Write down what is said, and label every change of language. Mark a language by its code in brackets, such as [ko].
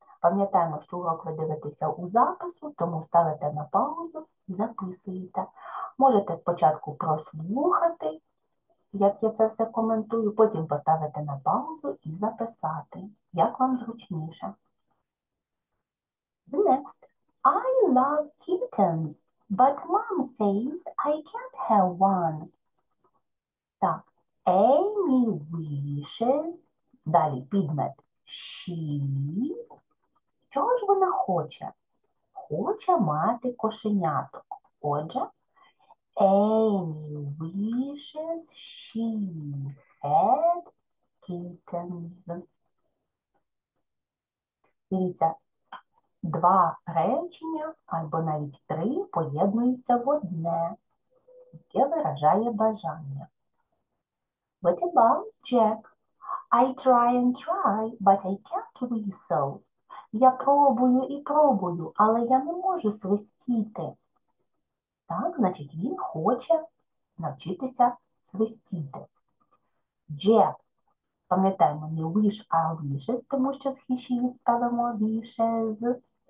[uk] Пам'ятаємо, що урок ви дивитеся у запису, тому ставите на паузу і записуєте. Можете спочатку прослухати, як я це все коментую, потім поставити на паузу і записати, як вам зручніше. [en] The next. I love kittens, but mom says I can't have one. [uk] Так, Amy wishes, далі підмет, she, чого ж вона хоче? Хоче мати кошеняток. Отже, [en] Amy wishes she had kittens. [uk] Дивіться. Два речення, або навіть три, поєднуються в одне, яке виражає бажання. [en] What about Jack? I try and try, but I can't whistle. [uk] Я пробую і пробую, але я не можу свистіти. Так, значить, він хоче навчитися свистіти. Jack. Пам'ятаємо, не wish, а wishes, тому що з he, she ставимо wishes.